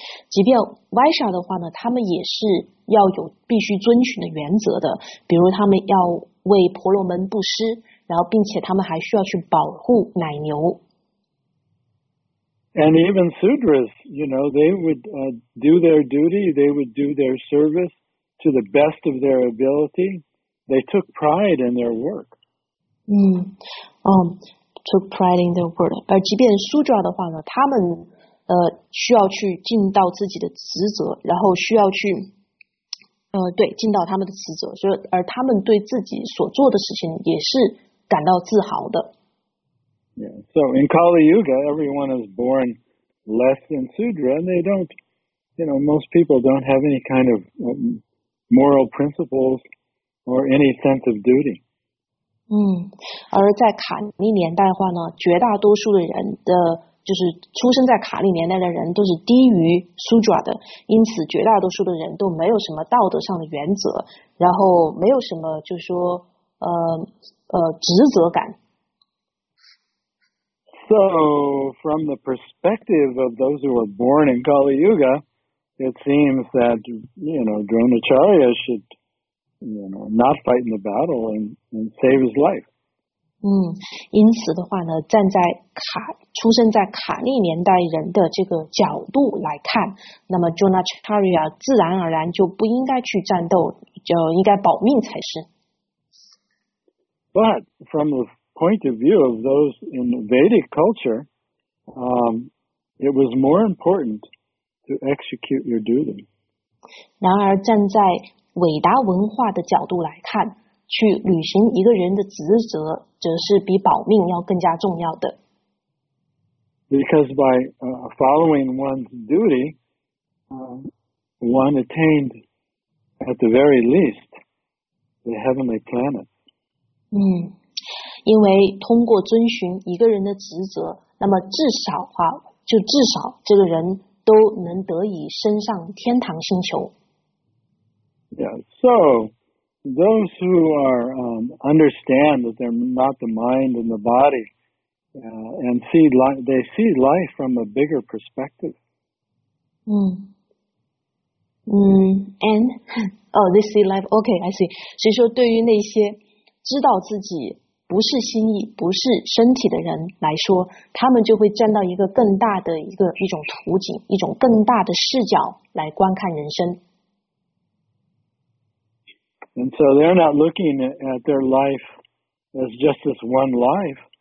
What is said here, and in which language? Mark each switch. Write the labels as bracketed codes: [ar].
[zh] 即便 Vaishya 的话呢，他们也是要有必须遵循的原则的，比如他们要为婆罗门布施，然后并且他们还需要去保护奶牛。 [en] And even Sudras, you know, they would do their duty, they would do their service to the best of their ability. They took pride in their work. Took pride in their work. [zh] 而即便 Sudra 的话呢，他们需要去尽到自己的职责，然后需要去对，尽到他们的职责，所以而他们对自己所做的事情也是感到自豪的。 [en] Yeah, so in Kali Yuga, everyone is born less than Sudra, and they don't, you know, most people don't have any kind of moral principles or any sense of duty. [zh] 而在卡利年代的话呢，绝大多数的人的就是出生在卡利年代的人都是低于苏爪的，因此绝大多数的人都没有什么道德上的原则，然后没有什么就是说职责感。 [en] So from the perspective of those who were born in Kali Yuga, it seems that you know Dronacharya should you know not fight in the battle and save his life. [zh] 因此的话呢，出生在卡利年代人的这个角度来看，那么 Dronacharya 自然而然就不应该去战斗，就应该保命才是。 [en] But from the point of view of those in Vedic culture, it was more important to execute your duty. [zh] 然而站在伟达文化的角度来看，去履行一个人的职责，则是比保命要更加重要的。 [en] Because by following one's duty, one attained at the very least the heavenly planet. [zh] 因为通过遵循一个人的职责，那么至少这个人都能得以升上天堂星球。 [en] Yeah, so. Those who are understand that they're not the mind and the body, and see life, they see life from a bigger perspective. They see life. Okay, I see. [zh] 所以说，对于那些知道自己不是心意、不是身体的人来说，他们就会站到一个更大的一种图景、一种更大的视角来观看人生。 [en] And so they're not looking at their life as just this one life.